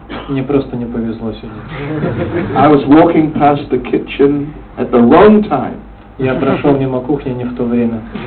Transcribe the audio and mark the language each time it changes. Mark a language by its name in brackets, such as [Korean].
[Russian] Мне просто не повезло сегодня. [English] I was walking past the kitchen at the wrong time. [Russian] Я прошел мимо кухни не в то время.